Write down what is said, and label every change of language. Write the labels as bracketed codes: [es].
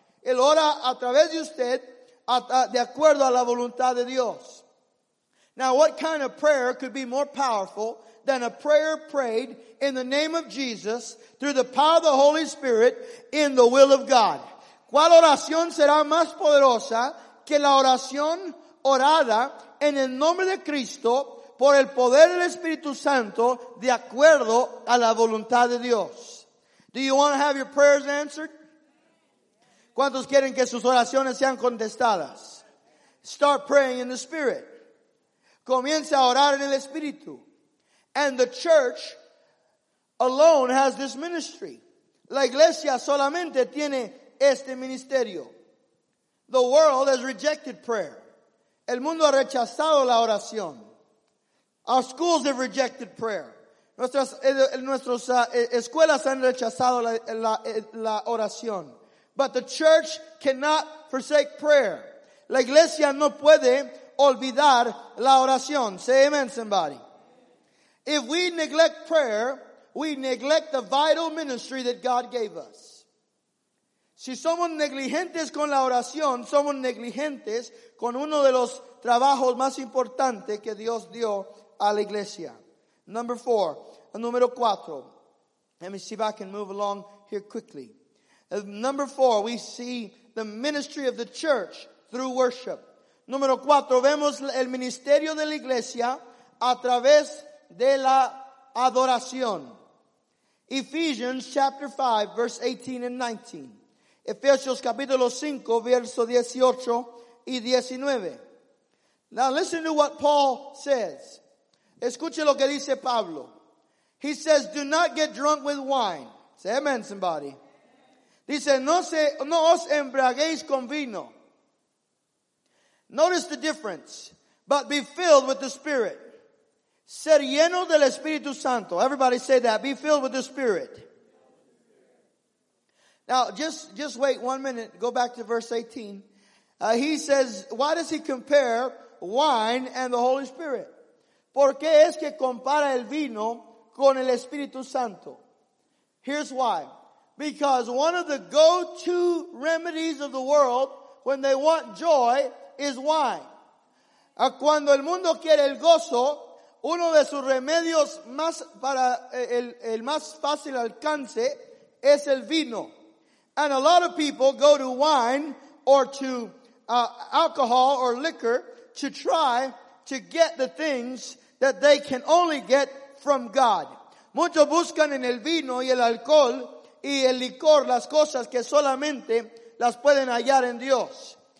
[es] Él ora a través de usted, de acuerdo a la voluntad de Dios. [en] Now, what kind of prayer could be more powerful than a prayer prayed in the name of Jesus through the power of the Holy Spirit in the will of God? [es] ¿Cuál oración será más poderosa que la oración orada en el nombre de Cristo por el poder del Espíritu Santo de acuerdo a la voluntad de Dios? [en] Do you want to have your prayers answered? [es] ¿Cuántos quieren que sus oraciones sean contestadas? [en] Start praying in the Spirit. [es] Comience a orar en el Espíritu. [en] And the church alone has this ministry. [es] La iglesia solamente tiene este ministerio. [en] The world has rejected prayer. [es] El mundo ha rechazado la oración. [en] Our schools have rejected prayer. [es] Nuestras escuelas han rechazado la oración. [en] But the church cannot forsake prayer. [es] La iglesia no puede olvidar la oración. [en] Say amen, somebody. If we neglect prayer, we neglect the vital ministry that God gave us. [es] Si somos negligentes con la oración, somos negligentes con uno de los trabajos más importantes que Dios dio a la iglesia. [en] Number four. [es] Número cuatro. [en] Let me see if I can move along here quickly. Number four, we see the ministry of the church through worship. [es] Número cuatro, vemos el ministerio de la iglesia a través de la adoración. [en] Ephesians chapter 5, verse 18 and 19. [es] Efesios capítulo 5, verso 18 y 19. [en] Now listen to what Paul says. [es] Escuche lo que dice Pablo. [en] He says, do not get drunk with wine. Say amen, somebody. [es] Dice, no os embriaguéis con vino. [en] Notice the difference. But be filled with the Spirit. [es] Ser lleno del Espíritu Santo. [en] Everybody say that. Be filled with the Spirit. Now, just wait 1 minute. Go back to verse 18. He says, why does he compare wine and the Holy Spirit? [es] ¿Por qué es que compara el vino con el Espíritu Santo? [en] Here's why. Because one of the go-to remedies of the world when they want joy is wine. [es] Cuando el mundo quiere el gozo, uno de sus remedios más para el más fácil alcance es el vino. [en] And a lot of people go to wine or to alcohol or liquor to try to get the things that they can only get from God. [es] Muchos buscan en el vino y el alcohol y el licor las cosas que solamente las pueden hallar en Dios.